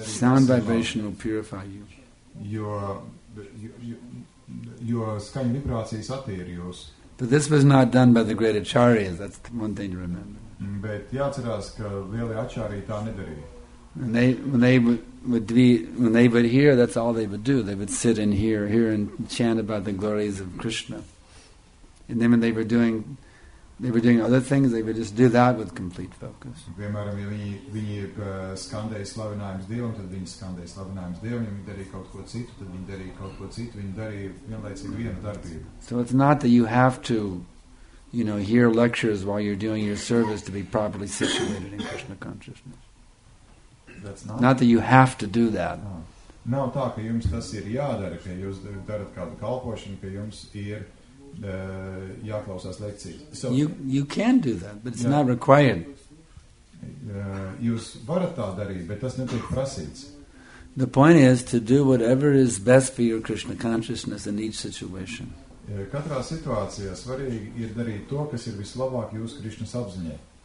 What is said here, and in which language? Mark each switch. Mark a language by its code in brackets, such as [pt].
[en] Sound vibration will purify you. [lv] Jo skaņu vibrācijas attīri jūs. [en] But this was not done by the great acharyas. That's the one thing to remember. [lv] Bet jāatcerās, ka lielie acharī tā nedarīja. [en] When they would hear, that's all they would do. They would sit and hear and chant about the glories of Krishna. And then when they were doing other things, they would just do that with complete focus. [lv] Piemēram, ja viņi skandēja slavinājums Dievam, tad viņi skandēja slavinājums Dievam, ja viņi darīja kaut ko citu, tad viņi darīja kaut ko citu, viņi darīja vienlaicīgi vienu darbību. [en] So it's not that you have to, hear lectures while you're doing your service to be properly situated in Krishna consciousness. That's not that you have to do that. [lv] Nav tā, ka jums tas ir jādara, ka jūs darat kādu kalpošanu, ka jums ir jāklausās lekcijas. [en] So, you can do that, but it's not required. [lv] Jūs varat tā darīt, bet tas netiek prasīts. [en] The point is to do whatever is best for your Krishna consciousness in each situation. [lv] Katrā situācijā svarīgi ir darīt to, kas ir vislabāk jūsu Krišnas apziņai.